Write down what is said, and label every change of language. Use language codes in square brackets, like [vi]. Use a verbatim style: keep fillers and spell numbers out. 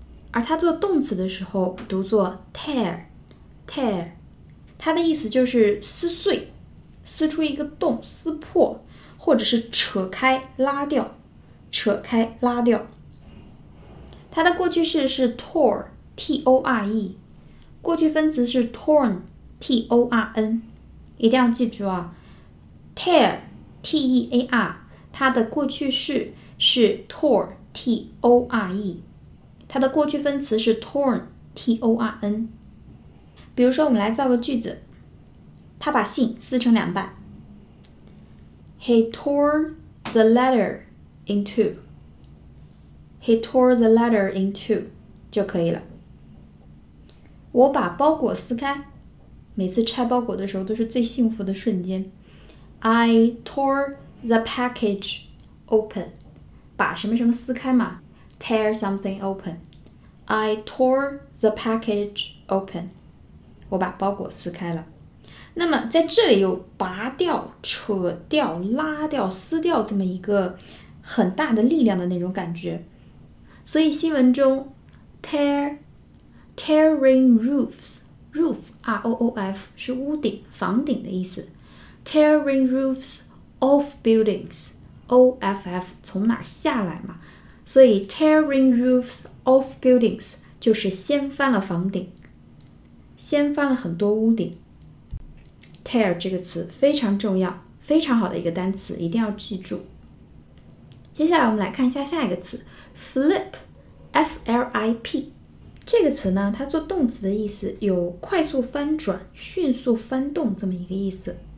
[zh] 而它做动词的时候读作 tear tear， 它的意思就是撕碎，撕出一个洞，撕破，或者是扯开拉掉，扯开拉掉。它的过去式是 tore [en] T O R E， 过去分词是 torn T O R N， 一定要记住啊。 tear T E A R 它的过去式是 tore T O R E， 它的过去分词是 torn T O R N。 [zh] 比如说我们来造个句子，他把信撕成两半。 [en] He tore the letter in two He tore the letter in two 就可以了。 [zh] 我把包裹撕开，每次拆包裹的时候都是最幸福的瞬间。 [en] I tore the package open， [zh] 把什么什么撕开嘛， [en] tear something open。 I tore the package open， [zh] 我把包裹撕开了。那么在这里有拔掉、扯掉、拉掉、撕掉这么一个很大的力量的那种感觉，所以新闻中 tear tearing roofs roof R O O F 是屋顶、房顶的意思。 [en] tearing roofs off buildings [zh] O F F 从哪下来嘛，所以 tearing roofs off buildings 就是掀翻了房顶，掀翻了很多屋顶。 tear 这个词非常重要，非常好的一个单词，一定要记住。接下来我们来看一下下一个词 flip F L I P， 这个词呢它做动词的意思有快速翻转、迅速翻动这么一个意思。